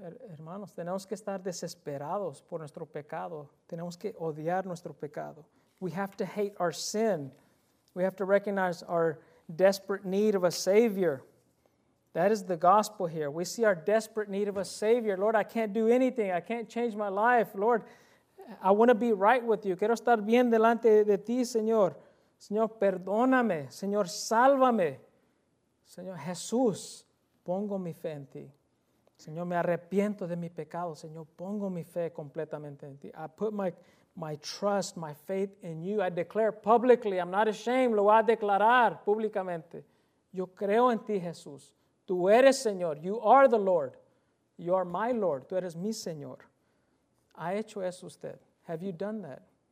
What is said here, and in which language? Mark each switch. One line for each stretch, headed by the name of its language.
Spanish: Hermanos, tenemos que estar desesperados por nuestro pecado. Tenemos que odiar nuestro pecado.
English: We have to hate our sin. We have to recognize our desperate need of a Savior. That is the gospel here. We see our desperate need of a Savior. Lord, I can't do anything. I can't change my life. Lord, I want to be right with you.
Spanish: Quiero estar bien delante de ti, Señor. Señor, perdóname. Señor, sálvame. Señor, Jesús, pongo mi fe en ti. Señor, me arrepiento de mi pecado. Señor, pongo mi fe completamente en ti.
English: I put my trust, my faith in you. I declare publicly, I'm not ashamed.
Spanish: Lo voy a declarar públicamente. Yo creo en ti, Jesús. Tú eres Señor.
English: You are the Lord. You are my Lord.
Spanish: Tú eres mi Señor. ¿Ha hecho eso usted?
English: Have you done that?